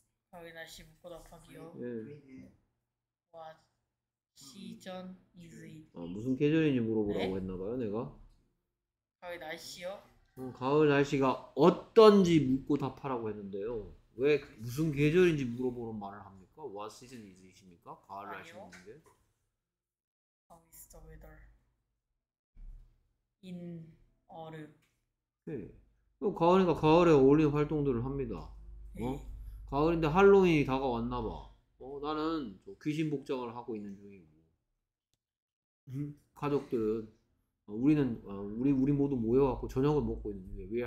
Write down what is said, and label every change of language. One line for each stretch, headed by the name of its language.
Korean: 가을 날씨 묻고 답하기요? 예.
English: What? Season is it?
Korean: 아, 무슨 계절인지 물어보라고 네? 했나봐요 내가. 가을 날씨요? 가을 날씨가 어떤지 묻고 답하라고 했는데요. 왜 무슨 계절인지 물어보는 말을 합니까?
English: What season is it입니까?
Korean: 가을 날씨 묻는데.
English: How is the weather in autumn?
Korean: 네. 가을이니까 가을에 어울리는 활동들을 합니다. 어? 네. 가을인데 할로윈이 다가왔나봐. 나는 귀신 복장을 하고 있는 중이고 가족들은 우리는 우리 모두 모여갖고 저녁을 먹고 있는 중이에요.